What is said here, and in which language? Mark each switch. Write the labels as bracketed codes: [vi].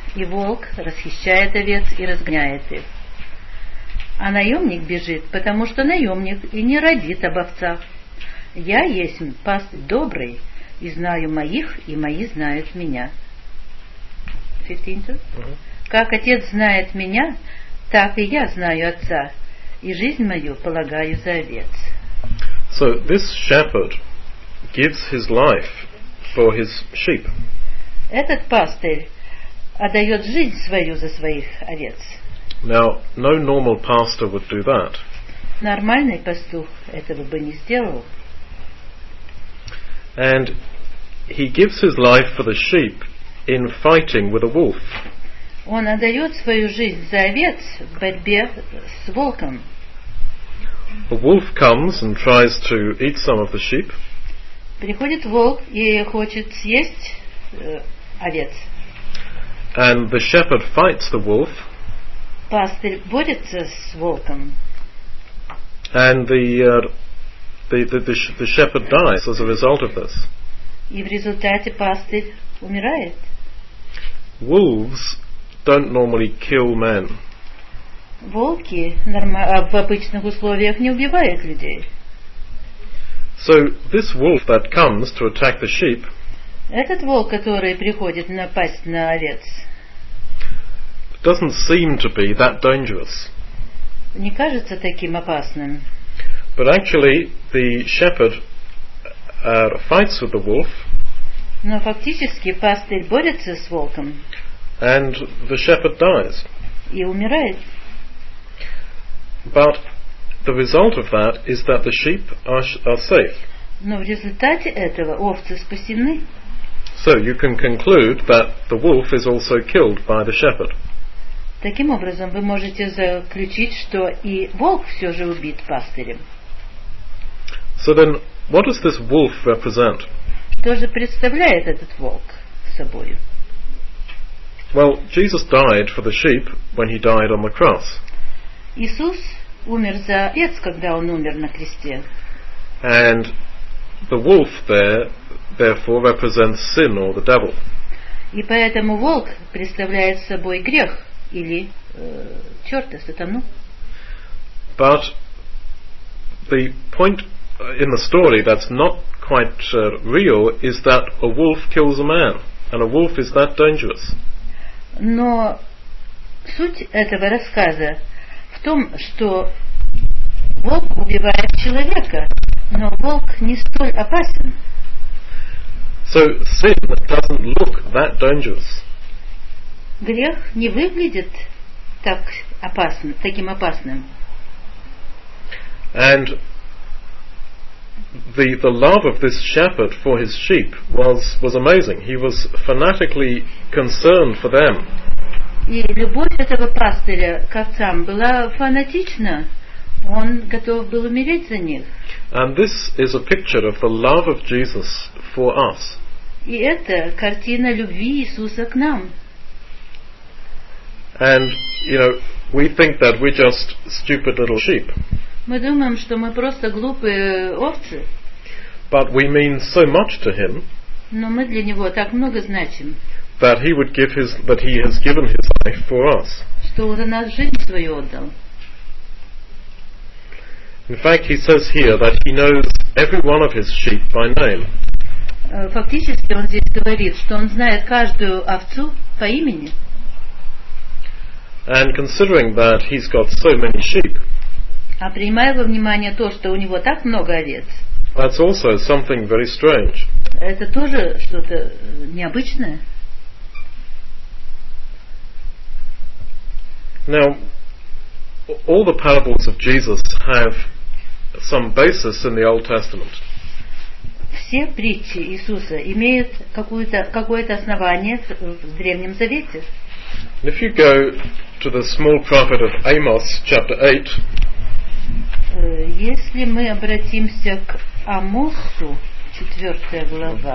[ru] И волк расхищает овец и разгоняет их. А наемник бежит, потому что наемник и не родит об овцах. Я есть пастырь добрый, и знаю моих, и мои знают меня. Как отец знает меня, так и я знаю отца, и жизнь мою полагаю за овец. [en] So this shepherd gives his life for his sheep. [ru] Этот пастырь отдает жизнь свою за своих овец. [en] Now, no normal pastor would do that. [ru] Нормальный пастух этого бы не сделал. [en] And he gives his life for the sheep in fighting with a wolf. [ru] Он отдает свою жизнь за овец в борьбе с волком. [en] A wolf comes and tries to eat some of the sheep. [ru] Приходит волк и хочет съесть овец. [en] And the shepherd fights the wolf. [ru] Пастырь борется с волком. [en] And the shepherd dies as a result of this. [ru] И в результате пастырь умирает. [en] Wolves don't normally kill men. [ru] Волки в обычных условиях не убивают людей. [en] So this wolf that comes to attack the sheep. [ru] Этот волк, который приходит напасть на овец. [en] Doesn't seem to be that dangerous. [ru] Не кажется таким опасным. [en] But actually, the shepherd fights with the wolf. [ru] Но фактически пастырь борется с волком. [en] And the shepherd dies. [ru] И умирает. [en] But the result of that is that the sheep are safe. [ru] Но в результате этого овцы спасены. [en] So you can conclude that the wolf is also killed by the shepherd. [ru] Таким образом, вы можете заключить, что и волк все же убит пастырем. [en] So then, what does this wolf represent? [ru] Что же представляет этот волк собой? [en] Well, Jesus died for the sheep when he died on the cross. [ru] Иисус умер за овец, когда он умер на кресте. [en] And the wolf there, therefore, represents sin or the devil. [ru] И поэтому волк представляет собой грех. Или черта, сатану. [en] But the point in the story that's not quite real is that a wolf kills a man, and a wolf is that dangerous. [ru] Но суть этого рассказа в том, что волк убивает человека, но волк не столь опасен. [en] So sin doesn't look that dangerous. [ru] Грех не выглядит так опасно, таким опасным. [en] And the love of this shepherd for his sheep was amazing. He was fanatically concerned for them. [ru] И любовь этого пастыря к овцам была фанатична. Он готов был умереть за них. [en] And this is a picture of the love of Jesus for us. [ru] И это картина любви Иисуса к нам. [en] And, you know, we think that we're just stupid little sheep. [ru] Мы думаем, что мы просто глупые овцы. [en] But we mean so much to him. [ru] Но мы для него так много значим. [en] That he would give his, that he has given his life for us. [ru] Что он за нас жизнь свою отдал. [en] In fact, he says here that he knows every one of his sheep by name. [ru] Фактически он здесь говорит, что он знает каждую овцу по имени. [en] And considering that he's got so many sheep. [ru] А принимая во внимание то, что у него так много овец. [en] That's also something very strange. [ru] Это тоже что-то необычное. [en] Now, all the parables of Jesus have some basis in the Old Testament. [ru] Все притчи Иисуса имеют какое-то основание в Древнем Завете. [en] If you go to the small prophet of Amos, chapter 8. [ru] Если мы обратимся к Амосу, 4 глава.